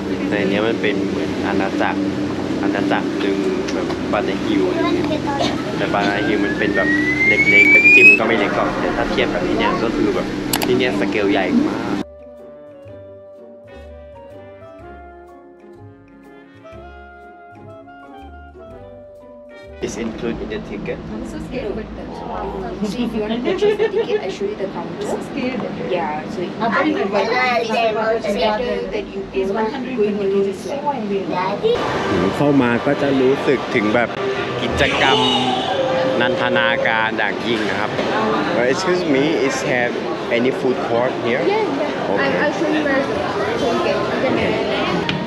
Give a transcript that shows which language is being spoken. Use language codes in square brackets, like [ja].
[th] ในนี้มันเป็นเหมือนอาณาจักรหนึ่งแบบบานาฮิวแต่บานาฮิวมันเป็นแบบเล็กๆแต่จริงก็ไม่เล็กก่อนแต่ถ้าเทียบแบบนี้เนี่ยก็คือแบบที่เนี่ยสเกลใหญ่มาก Is included in the ticket. [en] I'm so scared. So if you want to purchase the ticket, I show you the counter. So scared. Yeah. So I'm going to buy the ticket. Yeah. That you is 100 million. [th] Yeah. เข้ามาก็จะรู้สึกถึงแบบ กิจกรรมนันทนาการอย่างยิ่งนะครับ [en] Excuse me. Is have any food court here? Yeah. Yeah. Okay. I'll show you where to get the menu.